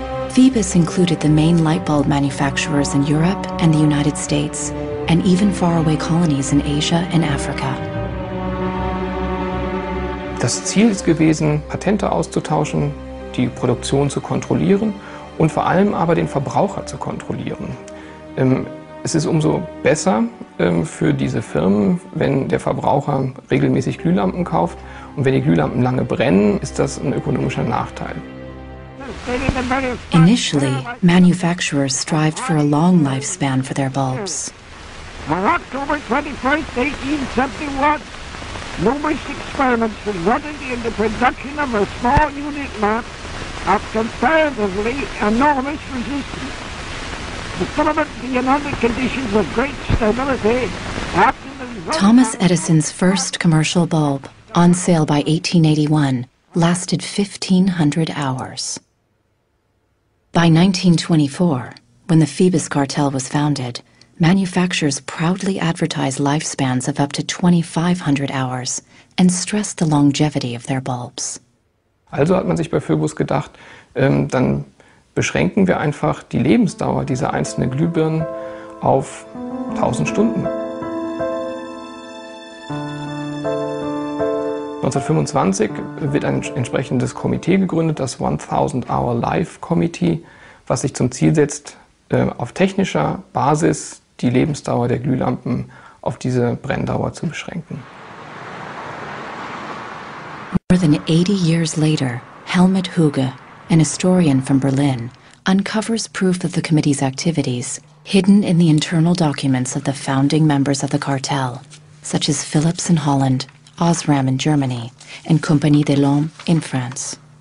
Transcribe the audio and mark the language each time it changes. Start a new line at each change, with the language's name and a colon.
English: Phoebus included the main light bulb manufacturers in Europe and the United States, and even faraway colonies in Asia and Africa.
German: Das Ziel ist gewesen, Patente auszutauschen, die Produktion zu kontrollieren und vor allem aber den Verbraucher zu kontrollieren. Es ist umso besser für diese Firmen, wenn der Verbraucher regelmäßig Glühlampen kauft. Und wenn die Glühlampen lange brennen, ist das ein ökonomischer Nachteil.
English: Initially, manufacturers strived for a long lifespan for their bulbs. On October 21st, 1871, numerous experiments resulted in the production of a small unit lamp of comparatively enormous resistance. The filament in under conditions of great stability. Thomas Edison's first commercial bulb, on sale by 1881, lasted 1,500 hours. By 1924, when the Phoebus cartel was founded, manufacturers proudly advertised lifespans of up to 2,500 hours and stressed the longevity of their bulbs.
German: Also hat man sich bei Phoebus gedacht, dann beschränken wir einfach die Lebensdauer dieser einzelnen Glühbirnen auf 1,000 Stunden. 1925 wird ein entsprechendes Komitee gegründet, das 1,000-Hour-Life-Committee, was sich zum Ziel setzt, auf technischer Basis die Lebensdauer der Glühlampen auf diese Brenndauer zu beschränken.
English: More than 80 years later, Helmut Hüge, an historian from Berlin, uncovers proof of the committee's activities hidden in the internal documents of the founding members of the cartel, such as Philips in Holland, Osram in Germany and Compagnie de l'Homme in France.